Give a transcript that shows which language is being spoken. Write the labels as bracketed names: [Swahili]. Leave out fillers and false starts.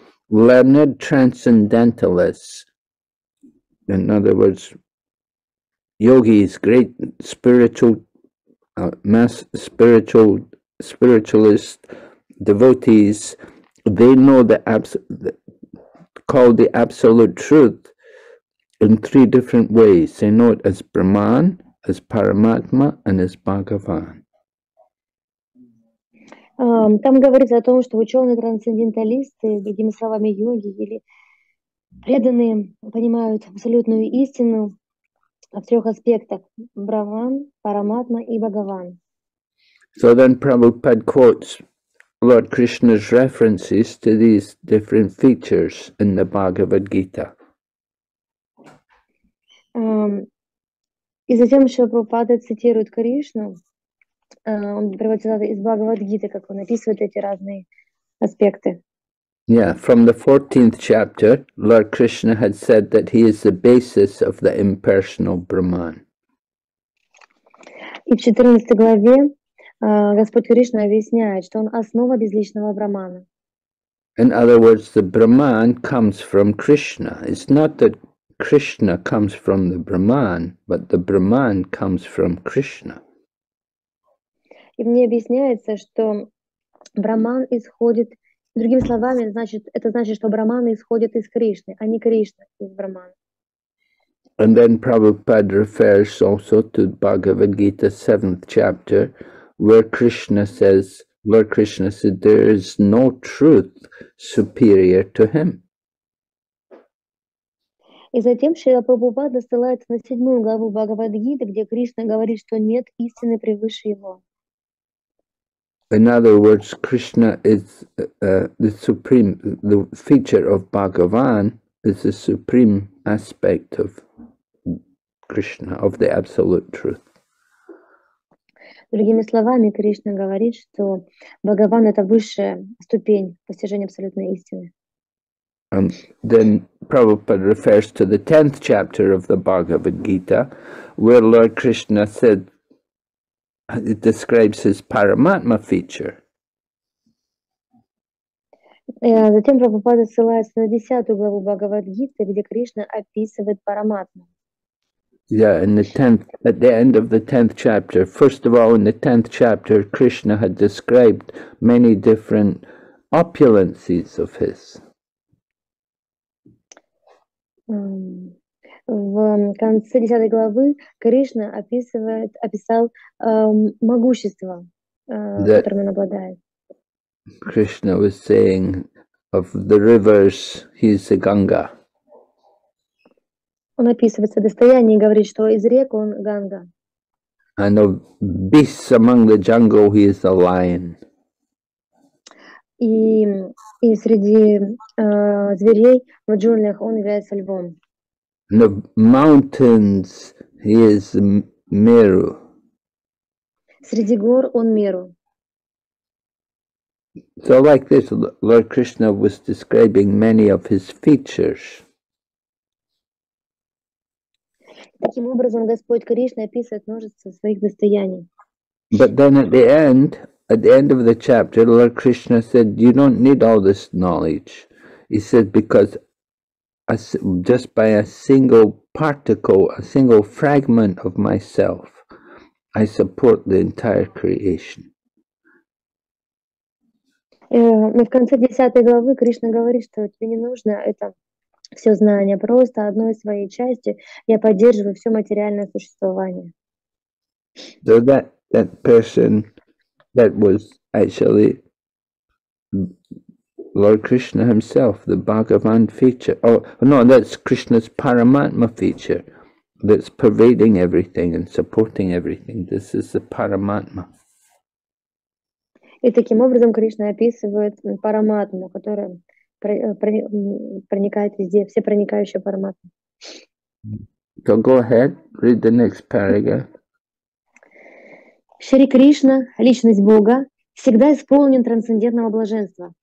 [English] Learned transcendentalists, in other words, yogis, great spiritualist devotees, they know call the absolute truth in three different ways. They know it as Brahman, as Paramatma, and as Bhagavan. [Russian] Там говорится о том, что ученые трансценденталисты, другими словами йоги или преданные, понимают абсолютную истину в трех аспектах: Брахман, Параматма и Бхагаван. [English] So then Prabhupada quotes Lord Krishna's references to these different features in the Bhagavad Gita. [Russian] И затем Шрила Прабхупада цитирует Кришну, он приводит цитаты из Бхагавад-гиты, как он описывает эти разные аспекты. [English] Yeah, from the 14th chapter, Lord Krishna had said that he is the basis of the impersonal Brahman. [Russian] И в 14 главе Господь Кришна объясняет, что он основа безличного Брахмана. [English] In other words, the Brahman comes from Krishna. It's not that Krishna comes from the Brahman, but the Brahman comes from Krishna. [Russian] И мне объясняется, что Брахман исходит, другими словами, это значит, что Брахман исходит из Кришны, а не Кришна из Брахмана. [English] And then Prabhupada refers also to Bhagavad Gita 7th chapter, where Lord Krishna said, there is no truth superior to him. [Russian] И затем Шрила Прабхупада ссылается на 7 главу Бхагавад-гиты, где Кришна говорит, что нет истины превыше его. [English] In other words, Krishna is the supreme, the feature of Bhagavan is the supreme aspect of Krishna, of the absolute truth. [Russian] Другими словами, Кришна говорит, что Бхагаван — это высшая ступень постижения абсолютной истины. [English] And then Prabhupada refers to the 10th chapter of the Bhagavad Gita, where Lord Krishna said, it describes his Paramatma feature. [Russian] Затем Прабхупада ссылается на 10 главу Бхагавад Гиты, где Кришна описывает Параматму. [English] Yeah, at the end of the 10th chapter. First of all, in the 10th chapter, Krishna had described many different opulences of his. [Russian] В конце 10 главы Кришна описал могущество, которым он обладает. [English] Krishna was saying of the rivers, he is the Ganga. [Russian] Он описывается достояние и говорит, что из рек он Ганга. [English] And of beasts among the jungle, he is the lion. [Russian] И среди зверей в джунглях он является львом. [English] The mountains, he is Meru. [Russian] Среди гор он Меру. [English] So like this, Lord Krishna was describing many of his features. [Russian] Таким образом, Господь Кришна описывает множество своих достояний. [English] But then at the end of the chapter, Lord Krishna said, you don't need all this knowledge. He said, because just by a single particle, a single fragment of myself, I support the entire creation. [Russian] Но в конце 10 главы Кришна говорит, что тебе не нужно это все знание, просто одной своей части я поддерживаю все материальное существование. [English] So that person that was actually Lord Krishna himself, the Bhagavan feature. Oh, no, that's Krishna's Paramatma feature that's pervading everything and supporting everything. This is the Paramatma. [Russian] И таким образом Кришна описывает параматму, которая проникает везде, все проникающие параматмы. [English] So go ahead, read the next paragraph. [Russian] Шри Кришна, личность Бога, всегда исполнен трансцендентного блаженства.